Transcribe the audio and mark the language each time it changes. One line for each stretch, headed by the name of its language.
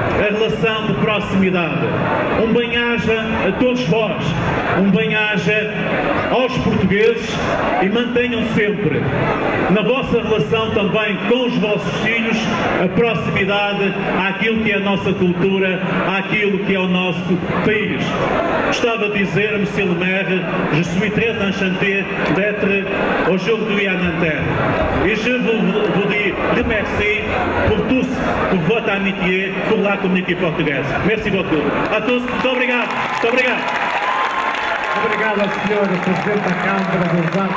Portuguese: A relação de proximidade. Um bem-aja a todos vós. Um bem-aja aos portugueses e mantenham sempre, na vossa relação também com os vossos filhos, a proximidade àquilo que é a nossa cultura, àquilo que é o nosso país. Gostava de dizer,
French: Monsieur le Maire, je suis très enchanté d'être aujourd'hui à Nanterre. Et je voudrais remercier pour tous, pour votre amitié, pour la communauté portugaise. Merci beaucoup. A tous,
Portuguese: muito obrigado. Muito obrigado. Obrigado ao Sr. Presidente da Câmara dos